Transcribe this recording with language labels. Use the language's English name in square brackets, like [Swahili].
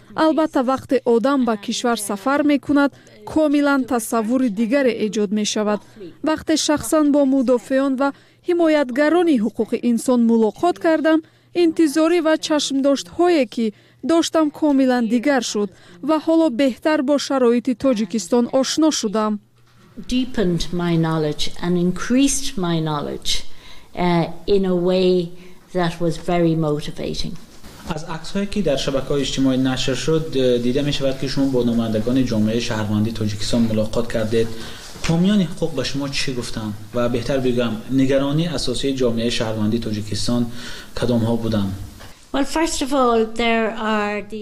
[Persian] البته وقت آدم به کشور سفر می کند، کاملا تصور دیگر ایجاد می شود. وقت شخصا با مدافعان و حمایتگران حقوق انسان ملاقات کردم، انتظاری و چشم داشت هایی که داشتم کاملا دیگر شد و حالا بهتر با شرایط تاجیکستان آشنا شدم. [English] Deepened my knowledge and increased my knowledge in a way that was very motivating. [Persian] از عکس‌هایی که در شبکه‌های اجتماعی نشر شد دیده می‌شود که شما با نمایندگان جامعه شهروندی تاجیکستان ملاقات کردید. حامیان حقوق به شما چی گفتند و بهتر بگم نگرانی اساسی جامعه شهروندی تاجیکستان کدام‌ها بودند؟ [English] Well, first of all, there are the